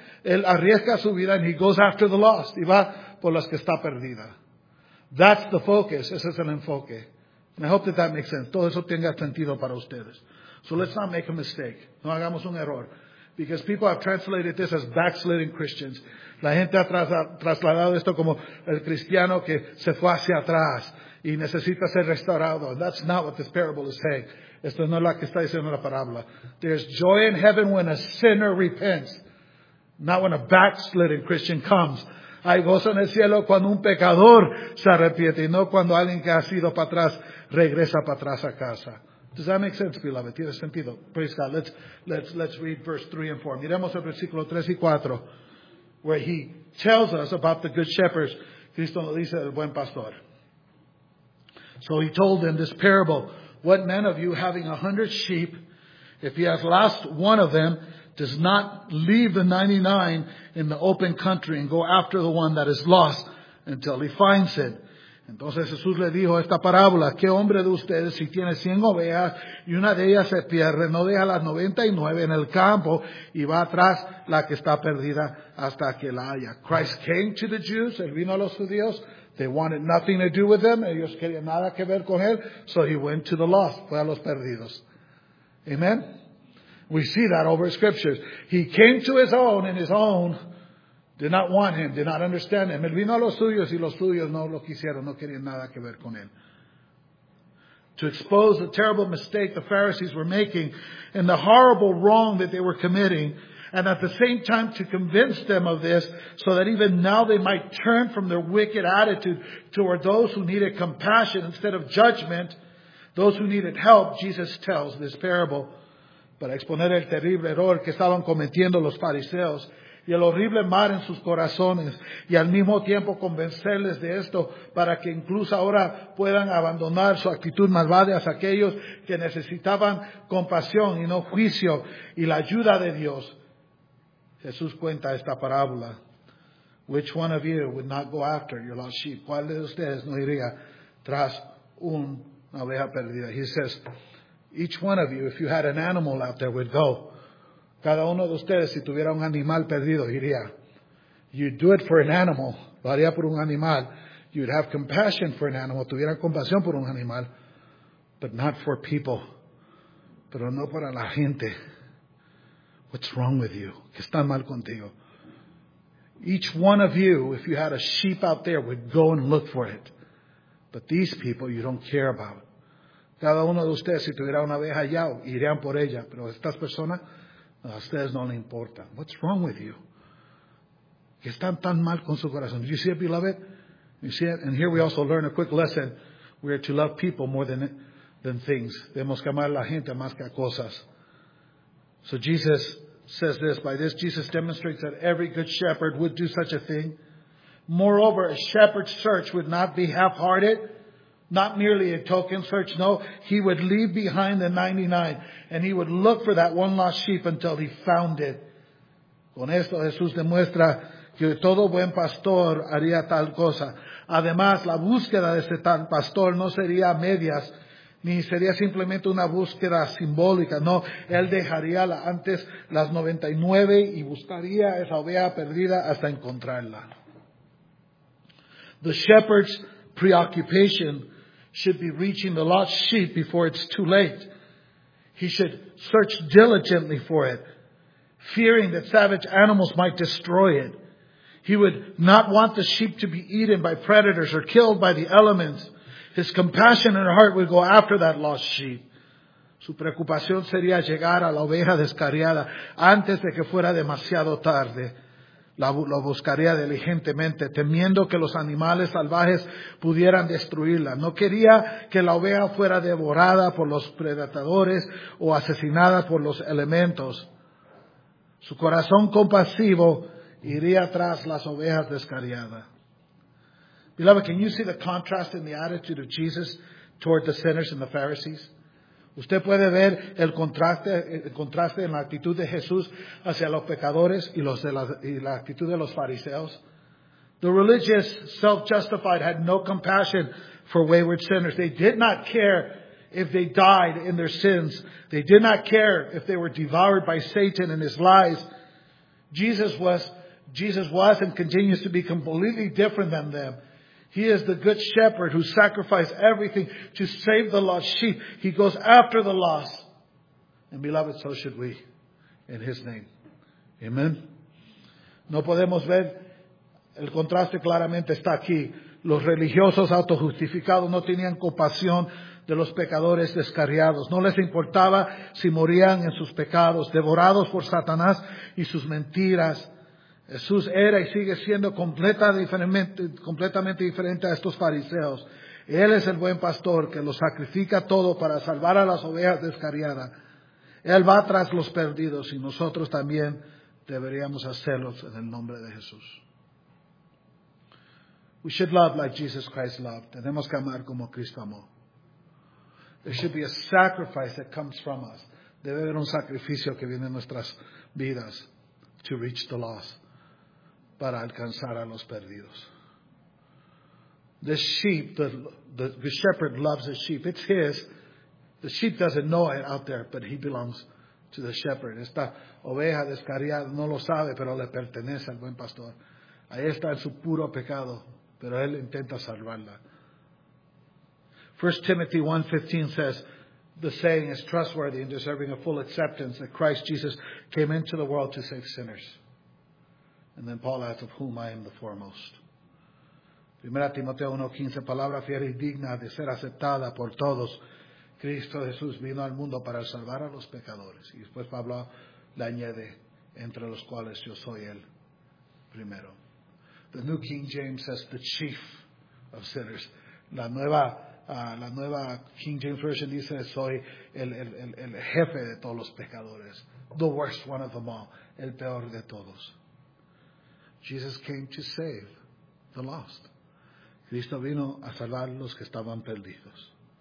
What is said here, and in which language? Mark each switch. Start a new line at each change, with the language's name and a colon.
Spanish: Él arriesga su vida.
English: And he goes after the lost.
Spanish: Y va por las que está perdida.
English: That's the focus.
Spanish: Ese es el enfoque.
English: And I hope that that makes sense.
Spanish: Todo eso tenga sentido para ustedes.
English: So let's not make a mistake.
Spanish: No hagamos un error.
English: Because people have translated this as backsliding Christians.
Spanish: La gente ha trasladado esto como el cristiano que se fue hacia atrás y necesita ser restaurado.
English: That's not what this parable is saying.
Spanish: Esto no es lo que está diciendo la parábola.
English: There's joy in heaven when a sinner repents. Not when a backsliding Christian comes.
Spanish: Hay gozo en el cielo cuando un pecador se arrepiente y no cuando alguien que ha sido para atrás regresa para atrás a casa.
English: Does that make sense, beloved?
Spanish: ¿Tiene sentido?
English: Praise God. Let's read verse 3 and 4.
Spanish: Miremos el versículo 3 y 4,
English: where he tells us about the good shepherds.
Spanish: Cristo nos dice del buen pastor.
English: So he told them this parable. What man of you having 100 sheep, if he has lost one of them, does not leave the 99 in the open country and go after the one that is lost until he finds it.
Spanish: Entonces Jesús le dijo esta parábola, ¿qué hombre de ustedes si tiene 100 ovejas y una de ellas se pierde, no deja las 99 en el campo y va atrás la que está perdida hasta que la haya?
English: Christ came to the Jews,
Spanish: él vino a los judíos,
English: they wanted nothing to do with them,
Spanish: ellos querían nada que ver con él,
English: so he went to the lost,
Spanish: fue a los perdidos.
English: Amen. We see that over scriptures. He came to his own, and his own did not want him, did not understand him.
Spanish: Él vino a los suyos, y los suyos no lo quisieron, no querían nada que ver con él.
English: To expose the terrible mistake the Pharisees were making, and the horrible wrong that they were committing, and at the same time to convince them of this, so that even now they might turn from their wicked attitude toward those who needed compassion instead of judgment, those who needed help, Jesus tells this parable.
Spanish: Para exponer el terrible error que estaban cometiendo los fariseos y el horrible mal en sus corazones y al mismo tiempo convencerles de esto para que incluso ahora puedan abandonar su actitud malvada hacia aquellos que necesitaban compasión y no juicio y la ayuda de Dios. Jesús cuenta esta parábola.
English: Which one of you would not go after your lost sheep?
Spanish: ¿Cuál de ustedes no iría tras una oveja perdida?
English: He says, each one of you, if you had an animal out there, would go.
Spanish: Cada uno de ustedes, si tuviera un animal perdido, iría.
English: you do it for an animal,
Spanish: lo haría por un animal.
English: You'd have compassion for an animal,
Spanish: tuviera compasión por un animal,
English: but not for people.
Spanish: Pero no para la gente.
English: What's wrong with you?
Spanish: ¿Qué está mal contigo?
English: Each one of you, if you had a sheep out there, would go and look for it. But these people, you don't care about.
Spanish: Cada uno de ustedes, si tuviera una abeja allá, irían por ella. Pero estas personas, a ustedes no le importa.
English: What's wrong with you?
Spanish: ¿Qué están tan mal con su corazón?
English: Do you see it, beloved? You see it? And here we also learn a quick lesson. We are to love people more than things.
Spanish: Debemos amar a la gente más que a cosas.
English: So Jesus says this, by this Jesus demonstrates that every good shepherd would do such a thing. Moreover, a shepherd's search would not be half-hearted, not merely a token search. No, he would leave behind the 99 and he would look for that one lost sheep until he found it.
Spanish: Con esto Jesús demuestra que todo buen pastor haría tal cosa. Además, la búsqueda de ese tal pastor no sería medias, ni sería simplemente una búsqueda simbólica. No, él dejaría antes las 99 y buscaría esa oveja perdida hasta encontrarla.
English: The shepherd's preoccupation should be reaching the lost sheep before it's too late. He should search diligently for it, fearing that savage animals might destroy it. He would not want the sheep to be eaten by predators or killed by the elements. His compassion in her heart would go after that lost sheep.
Spanish: Su preocupación sería llegar a la oveja descarriada antes de que fuera demasiado tarde. La buscaría diligentemente, temiendo que los animales salvajes pudieran destruirla. No quería que la oveja fuera devorada por los predadores o asesinada por los elementos. Su corazón compasivo iría tras las ovejas descarriadas.
English: Beloved, can you see the contrast in the attitude of Jesus toward the sinners and the Pharisees?
Spanish: ¿Usted puede ver el contraste en la actitud de Jesús hacia los pecadores y la actitud de los fariseos?
English: The religious self-justified had no compassion for wayward sinners. They did not care if they died in their sins. They did not care if they were devoured by Satan and his lies. Jesus was and continues to be completely different than them. He is the good shepherd who sacrificed everything to save the lost sheep. He goes after the lost. And beloved, so should we in his name. Amen.
Spanish: No podemos ver el contraste claramente está aquí. Los religiosos autojustificados no tenían compasión de los pecadores descarriados. No les importaba si morían en sus pecados, devorados por Satanás y sus mentiras. Jesús era y sigue siendo completamente diferente a estos fariseos. Él es el buen pastor que lo sacrifica todo para salvar a las ovejas descarriadas. Él va tras los perdidos y nosotros también deberíamos hacerlos en el nombre de Jesús.
English: We should love like Jesus Christ loved.
Spanish: Tenemos que amar como Cristo amó.
English: There should be a sacrifice that comes from us.
Spanish: Debe haber un sacrificio que viene en nuestras vidas
English: to reach the lost.
Spanish: Para alcanzar a los perdidos.
English: The sheep, the shepherd loves the sheep. It's his. The sheep doesn't know it out there, but he belongs to the shepherd.
Spanish: Esta oveja descarriada no lo sabe, pero le pertenece al buen pastor. Ahí está en su puro pecado, pero él intenta salvarla.
English: 1 Timothy 1:15 says, the saying is trustworthy and deserving of full acceptance that Christ Jesus came into the world to save sinners. And then Paul asks, of whom I am the foremost.
Spanish: 1 Timoteo 1:15, palabra fiel y digna de ser aceptada por todos. Cristo Jesús vino al mundo para salvar a los pecadores. Y después Pablo le añade, entre los cuales yo soy el primero.
English: The New King James says, the chief of sinners.
Spanish: La nueva King James Version dice, soy el jefe de todos los pecadores.
English: The worst one of them all.
Spanish: El peor de todos.
English: Jesus came to save the lost.
Spanish: Cristo vino a salvar los que estaban perdidos.